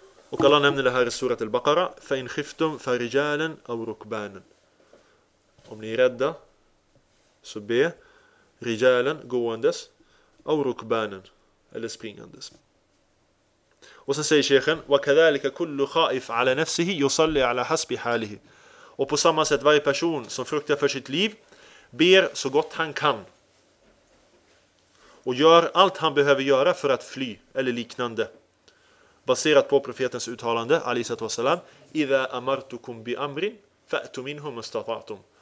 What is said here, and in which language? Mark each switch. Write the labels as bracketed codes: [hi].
[sv] Och alla nämner det här i surat al-Baqara: [ar] فَإِنْ خِفْتُمْ فَرِجَالًا أَوْ رُكْبَانًا. [sv] Om ni är rädda, så be rijalen, gåendes, av rukbanen, eller springandes. Och sen säger sheikhen: [ar] وَكَذَلِكَ كُلُّ خَائِفْ عَلَى نَفْسِهِ يُصَلِّ عَلَى حَسْبِ حَالِهِ. [sv] Och på samma sätt, varje person som fruktar för sitt liv ber så gott han kan och gör allt han behöver göra för att fly eller liknande, baserat på profetens uttalande alaihi wasallam: [ar] إِذَا أَمَرْتُكُمْ بِأَمْرٍ فَأْتُ مِنْهُمْ مَسْتَطَعْتُمْ.